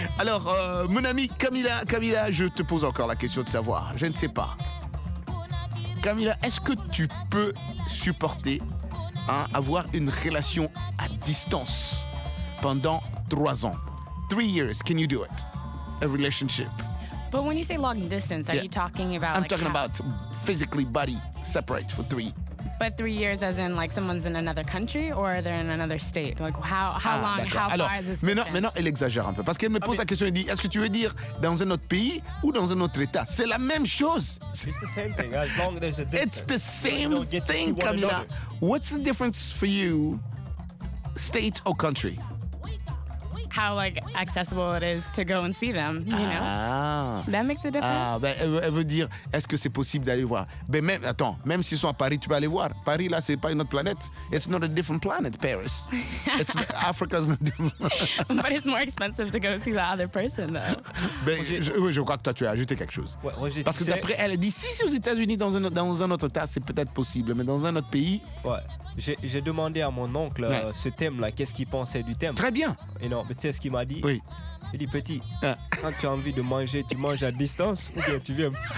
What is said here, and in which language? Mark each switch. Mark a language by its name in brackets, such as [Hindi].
[French] Alors, mon ami Camila, je te pose encore la question de savoir. Je ne sais pas. Camila, est-ce que tu peux supporter avoir une relation à distance pendant 3 ans? [English] 3 years, can you do it? A relationship. But when you say long distance, are you talking about... I'm talking about physically body separate for 3 years. But 3 years as in like someone's in another country or they're in another state? Like how long, how far is this distance? [French] Maintenant, elle exagère un peu parce qu'elle me pose la question, elle dit, est-ce que tu veux dire dans un autre pays ou dans un autre état? C'est la même chose. [English] It's the same thing, as long as there's a distance. It's the same thing, Camila. What's the difference for you, state or country? How like accessible it is to go and see them, you know? That makes a difference. [French] Elle veut dire, est-ce que c'est possible d'aller voir? Mais même s'ils sont à Paris, tu peux aller voir. Paris là, c'est pas une autre planète. [English] It's not a different planet, Paris. It's not, Africa's not different. But it's more expensive to go see the other person, though. [French] Mais je crois que toi, tu as ajouté quelque chose. Ouais, parce que d'après, elle dit, si c'est aux États-Unis dans un autre état, c'est peut-être possible, mais dans un autre pays. Ouais. J'ai demandé à mon oncle ce thème-là, qu'est-ce qu'il pensait du thème. Très bien. Et non, mais tu sais ce qu'il m'a dit? Oui. Il dit, petit, quand tu as envie de manger, tu manges à distance ou bien tu viens?